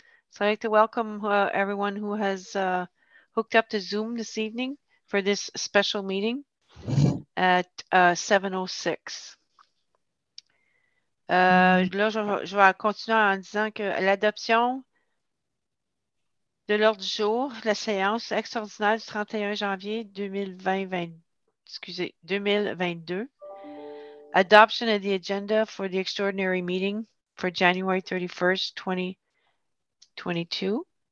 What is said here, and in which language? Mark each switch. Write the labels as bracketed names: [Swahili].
[English] So I'd like to welcome everyone who has hooked up to Zoom this evening for this special meeting at 7:06. [French] Là, je vais continuer en disant que l'adoption de l'ordre du jour, la séance extraordinaire du 31 janvier 2022. [English] Adoption of the agenda for the extraordinary meeting for January 31st, 2022.